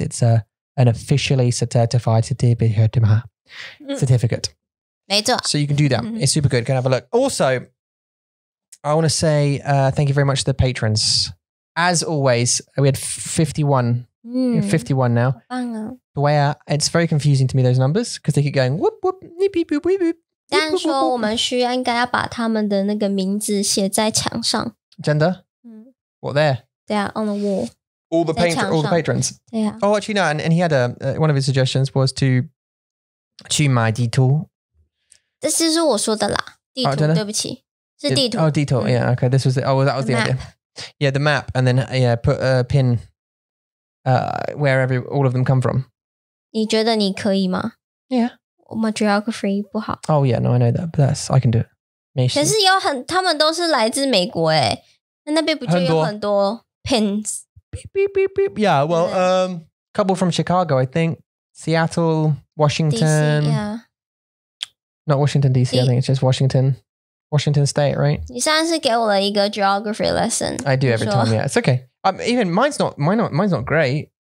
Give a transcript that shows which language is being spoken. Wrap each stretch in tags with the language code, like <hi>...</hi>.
<en>It's an officially certified certificate. So you can do that. It's super good. Can have a look. Also, I want to say thank you very much to the patrons. As always, we had 51. 51 now. The way it's very confusing to me, those numbers, because they keep going whoop whoop, neep beep beep beep.</en> <zh>但说我们需要应该要把他们的那个名字写在墙上。真的？</zh> <en>What, there? Yeah, on the wall. All the patrons. Yeah. Oh, actually, no. And he had one of his suggestions was to</en> <zh>买地图。</zh> <en>This is what I said, 地图,</en> <zh>对不起。是地图。</zh> <en>Oh, 地图, yeah, okay. This was the idea. Yeah, the map, and then yeah, put a pin where all of them come from.</en> <zh>你觉得你可以吗?</zh> <en>Yeah. My geography</en> <zh>不好。</zh> <en>Oh, yeah, no, I know that, but that's, I can do it.</en> <zh>没事。可是有很,他们都是来自美国耶。那那边不就有很多 pins?</zh> <en>Beep, beep, beep, beep. Yeah, well, a couple from Chicago, I think. Seattle, Washington. DC, yeah. Not Washington, D.C., I think it's just Washington State, right?</en> <zh>你上次给我了一个</zh> <en>geography lesson. I do every time, yeah. It's okay. Even mine's not great.</en>